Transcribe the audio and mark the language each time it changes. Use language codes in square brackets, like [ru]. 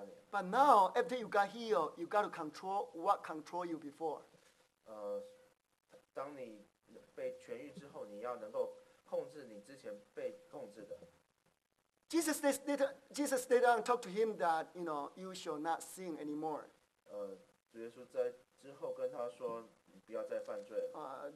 [en] But now, after you got healed, you got to control what controlled you before. [zh] 当你被痊愈之后，你要能够控制你之前被控制的。 [en] Jesus later on talked to him that, you know, you shall not sin anymore. [zh] 主耶稣在之后跟他说，你不要再犯罪了。